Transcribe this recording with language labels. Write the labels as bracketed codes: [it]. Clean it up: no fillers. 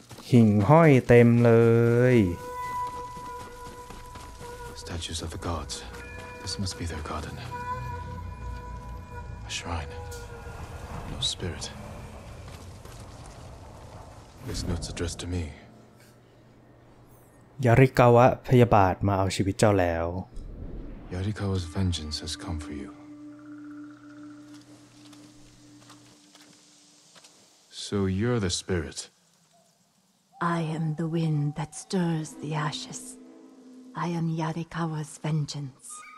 [th] หิ่งห้อยเต็มเลย [en] Statues of the gods. This must be their garden. A shrine. No spirit. This note's addressed to me. [th] ยาริกาวะพยาบาทมาเอาชีวิตเจ้าแล้ว [en] ยาริกาวะ vengeance has come for you so you're the spirit I am the wind that stirs the ashes I am Yarikawa's vengeance